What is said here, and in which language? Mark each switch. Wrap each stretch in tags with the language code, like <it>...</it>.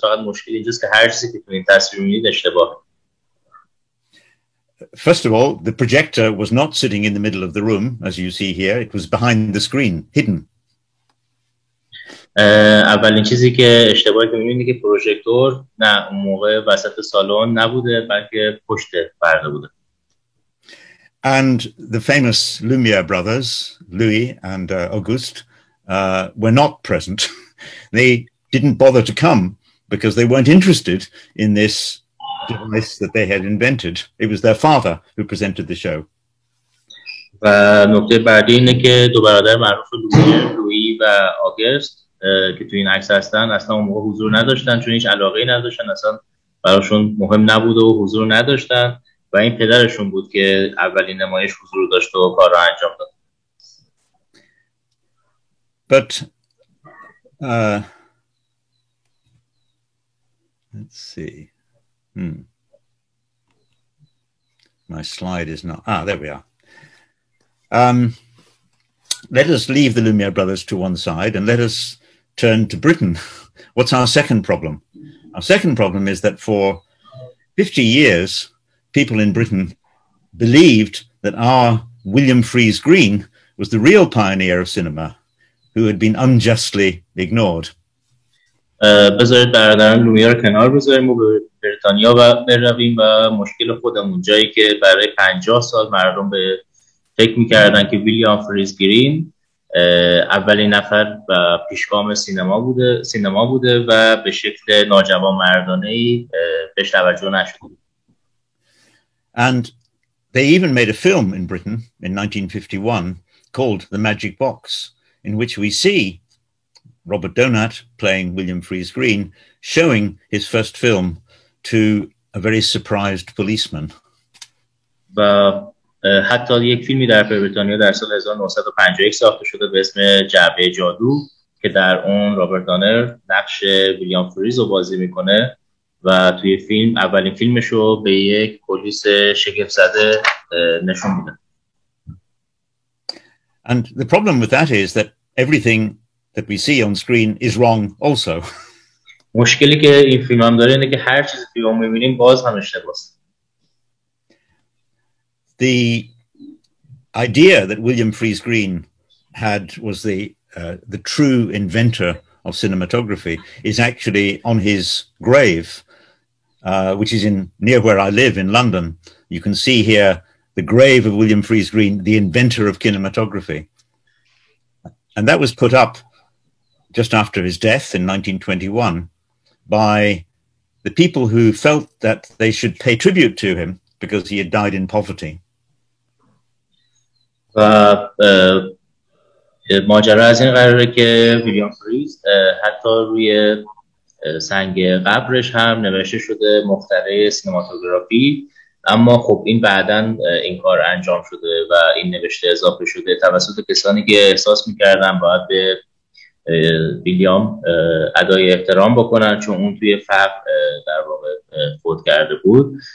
<fa>فقط مشکل اینجاست که هر چیزی که تو این تصویر می‌بینید اشتباهه.</fa> <en>First of all, the projector was not sitting in the middle of the room, as you see here. It was behind the screen, hidden.</en> <fa>اولین چیزی که اشتباهی که می‌بینید که پروژکتور نه اون موقع وسط سالن نبوده بلکه پشت پرده بوده.</fa> <en>And the famous Lumière brothers, Louis and Auguste, were not present. They didn't bother to come because they weren't interested in this device that they had invented. It was their father who presented the show.</en> <fa>و نکته بعدی اینه که دو برادر معروف لومیر، لویی و آگست که تو این عکس هستن اصلا اون موقع حضور نداشتن چون هیچ علاقه ای نداشتن اصلا براشون مهم نبود و حضور نداشتن و این پدرشون بود که اولین نمایش حضور داشت و کار را انجام داد.</fa> <en>But let's see. My slide is not. Ah, there we are. Let us leave the Lumière brothers to one side and let us turn to Britain. What's our second problem? Our second problem is that for 50 years, people in Britain believed that our William Freeze Green was the real pioneer of cinema, who had been unjustly ignored.</en> <fa>بذارید برادران لومیر رو کنار بذاریم و به بریتانیا برویم و مشکل خودمون جایی که برای 50 سال مردم به فکر میکردن که ویلیام فریز گرین اولین نفر و پیشگام سینما بوده و به شکل ناجوانمردانه‌ای بهش توجه نشده.</fa> <en>And they even made a film in Britain in 1951 called The Magic Box, in which we see Robert Donat playing William Freeze Green showing his first film to a very surprised policeman.</en> <fa>و حتی یک فیلمی در بریتانیا در سال 1951 ساخته شده به اسم جعبه جادو که در اون رابرت دانر نقش ویلیام فریز رو بازی میکنه و توی فیلم اولین فیلمش رو به یک پلیس شگفت زده نشون میده.</fa> <en>And the problem with that is that everything that we see on screen is wrong also.</en> <fa>مشکلی که این فیلم هم داره اینه که هر چیزی که ما می‌بینیم باز هم اشتباهه.</fa> <en>The idea that William Freeze Green had was the true inventor of cinematography is actually on his grave, which is in near where I live in London. You can see here the grave of William Freeze Green, the inventor of cinematography. And that was put up just after his death in 1921 by the people who felt that they should pay tribute to him because he had died in poverty.</en> <fa>و ماجرا از این قراره که ویلیام فریز حتی روی سنگ قبرش هم نوشته شده مخترع سینماتوگرافی، اما خب این بعداً این کار انجام شده و این نوشته اضافه شده توسط کسانی که احساس میکردن باید به ویلیام ادای احترام بکنن چون اون توی فقر در واقع فوت کرده بود.</fa>